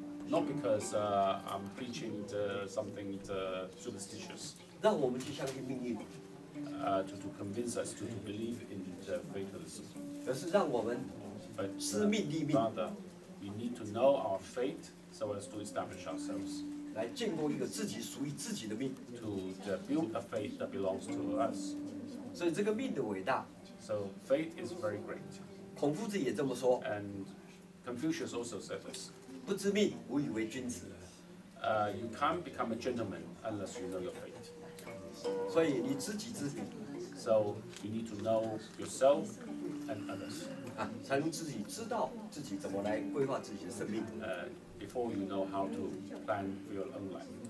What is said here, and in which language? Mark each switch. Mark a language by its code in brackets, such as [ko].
[en] not because I'm preaching something superstitious. [zh] 让我们去相信命运。 [en] To convince us to believe in fatalism. [zh] 而是让我们知命立命。 [en] Rather, we need to know our fate so as to establish ourselves. [zh] 来建构一个自己属于自己的命。 [en] To build a fate that belongs to us. [zh] 所以这个命的伟大。 [en] So fate is very great. [zh] 孔夫子也这么说。 [en] And Confucius also said this. [zh] 不知命，无以为君子。 [en] You can't become a gentleman unless you know your fate. [zh] 所以你知己知彼 [en] So you need to know yourself and others. [zh] 啊，才能自己知道自己怎么来规划自己的生命。 [en] Before you know how to plan your own life.